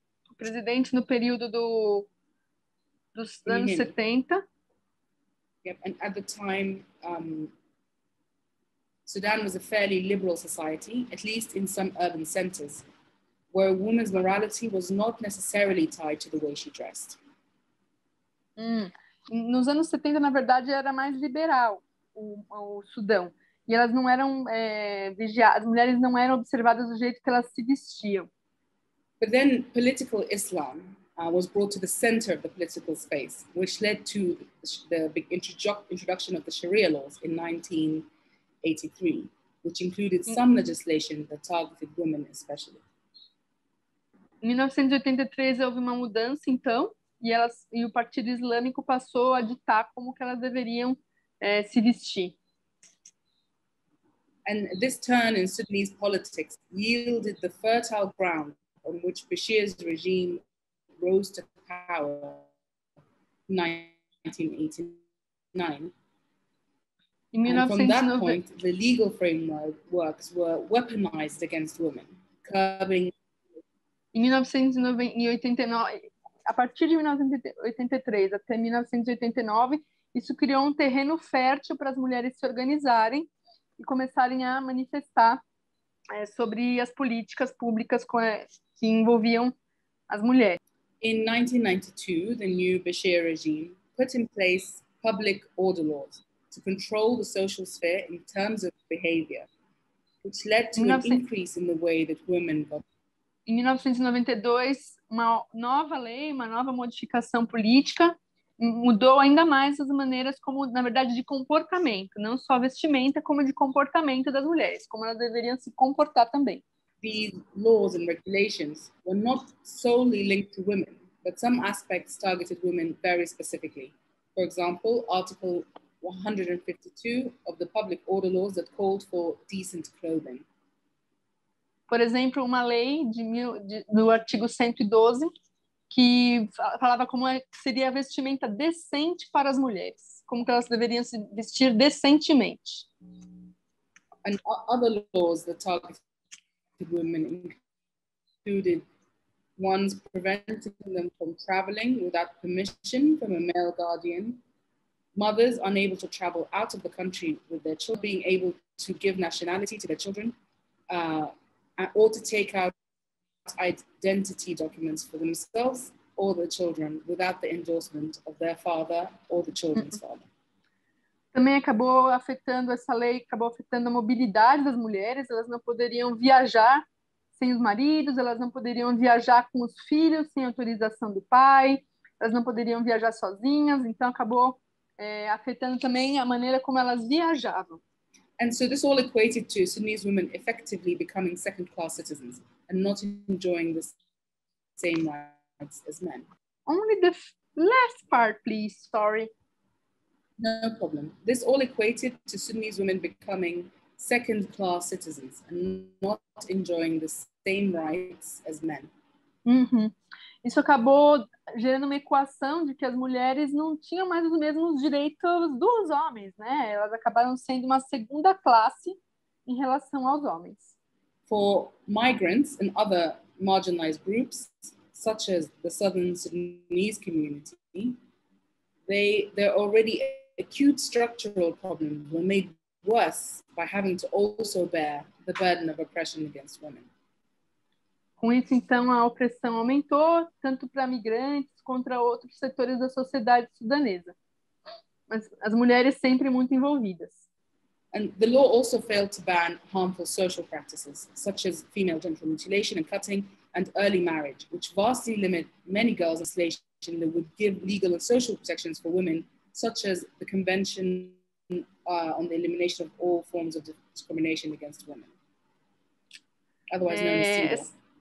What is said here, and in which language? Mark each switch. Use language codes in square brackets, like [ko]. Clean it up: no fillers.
[pt] O presidente no período dos anos 70. [en] Yep, and at the time, Sudan was a fairly liberal society, at least in some urban centers, where a woman's morality was not necessarily tied to the way she dressed. [pt] Nos anos 70, na verdade, era mais liberal o Sudão. E elas não eram vigiadas, as mulheres não eram observadas do jeito que elas se vestiam. [en] But then political Islam was brought to the center of the political space, which led to the big introduction of the Sharia laws in 1983, which included some legislation that targeted women especially. [pt] Em 1983 houve uma mudança, então, e o Partido Islâmico passou a ditar como que elas deveriam se vestir. [en] And this turn in Sudanese politics yielded the fertile ground on which Bashir's regime rose to power in 1989. And from that point, the legal frameworks were weaponized against women, curbing [pt] em 1989, a partir de 1983 até 1989, isso criou um terreno fértil para as mulheres se organizarem e começarem a manifestar sobre as políticas públicas que envolviam as mulheres. [en] In 1992, the new Bashir regime put in place public order laws to control the social sphere in terms of behavior, which led to an increase in the way that women got. [pt] Em 1992, uma nova lei, uma nova modificação política mudou ainda mais as maneiras como, na verdade, de comportamento, não só vestimenta, como de comportamento das mulheres, como elas deveriam se comportar também. [en] These laws and regulations were not solely linked to women, but some aspects targeted women very specifically. For example, Article 152 of the public order laws that called for decent clothing. [pt] Por exemplo, uma lei do artigo 112 que falava como seria a vestimenta decente para as mulheres, como que elas deveriam se vestir decentemente. [en] And other laws that targeted women included ones preventing them from traveling without permission from a male guardian, mothers unable to travel out of the country with their children, being able to give nationality to their children, or to take out identity documents for themselves or the children without the endorsement of their father or the children's father. [pt] Também acabou afetando essa lei, acabou afetando a mobilidade das mulheres. Elas não poderiam viajar sem os maridos, elas não poderiam viajar com os filhos sem autorização do pai, elas não poderiam viajar sozinhas. Então acabou afetando também a maneira como elas viajavam. [en] And so this all equated to Sudanese women effectively becoming second-class citizens and not enjoying the same rights as men. Only the last part, please. Sorry. No problem. This all equated to Sudanese women becoming second-class citizens and not enjoying the same rights as men. [pt] Isso acabou gerando uma equação de que as mulheres não tinham mais os mesmos direitos dos homens, né? Elas acabaram sendo uma segunda classe em relação aos homens. [en] For migrants and other marginalized groups, such as the Southern Sudanese community, their already acute structural problems were made worse by having to also bear the burden of oppression against women. [pt] Com isso, então, a opressão aumentou, tanto para migrantes quanto outros setores da sociedade sudanesa. Mas as mulheres sempre muito envolvidas. [en] And the law also failed to ban harmful social practices, such as female genital mutilation and cutting, and early marriage, which vastly limit many girls' legislation that would give legal and social protections for women, such as the Convention on the Elimination of All Forms of Discrimination Against Women, otherwise known as CEDAW.